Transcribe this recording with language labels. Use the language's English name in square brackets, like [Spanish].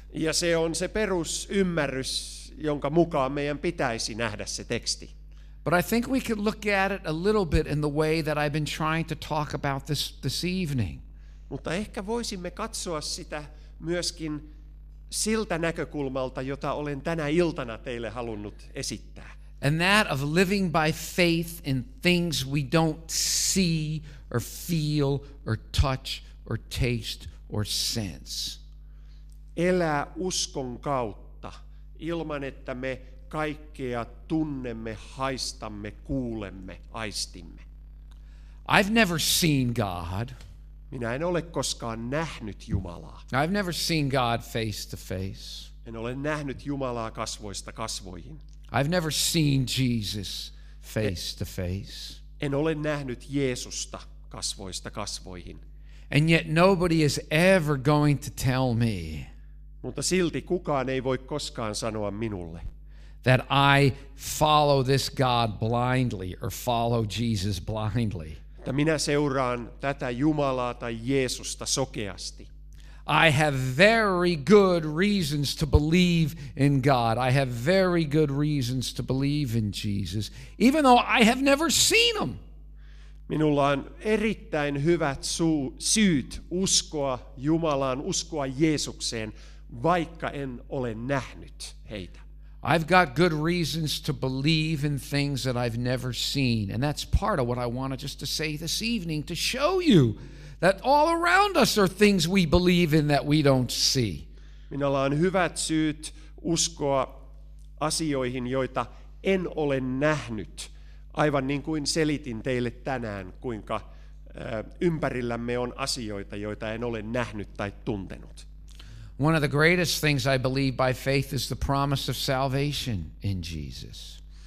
[Finnish] Ja se on se perusymmärrys, jonka mukaan meidän pitäisi nähdä se teksti. [English] But I think we could look at it a little bit in the way that I've been trying to talk about this evening. [Finnish] Mutta ehkä voisimme katsoa sitä myöskin siltä näkökulmalta, jota olen tänä iltana teille halunnut esittää. [English] And that of living by faith in things we don't see or feel or touch or taste or sense. [Finnish] Elää uskon kautta, ilman että me kaikkea tunnemme, haistamme, kuulemme, aistimme. [English] I've never seen God. [Finnish] Minä en ole koskaan nähnyt Jumalaa. [English] I've never seen God face to face. [Finnish] En ole nähnyt Jumalaa kasvoista kasvoihin. [English] I've never seen Jesus face to face. [Finnish] En ole nähnyt Jeesusta kasvoista kasvoihin. [English] And yet nobody is ever going to tell me. [Finnish] Mutta silti kukaan ei voi koskaan sanoa minulle. [English] That I follow this God blindly or follow Jesus blindly. [Finnish] Että minä seuraan tätä Jumalaa tai Jeesusta sokeasti. [English] I have very good reasons to believe in God. I have very good reasons to believe in Jesus, even though I have never seen him. [Finnish] Minulla on erittäin hyvät syyt uskoa Jumalaan, uskoa Jeesukseen, vaikka en ole nähnyt heitä. [English] I've got good reasons to believe in things that I've never seen, and that's part of what I wanted just to say this evening to show you. That all around us are things we believe in that we don't see. [Finnish] Minulla on hyvät syyt uskoa asioihin, joita en ole nähnyt. Aivan niin kuin selitin teille tänään, kuinka ympärillämme on asioita, joita en ole nähnyt tai tuntenut. [English] One of the greatest things I believe by faith is the promise of salvation in Jesus.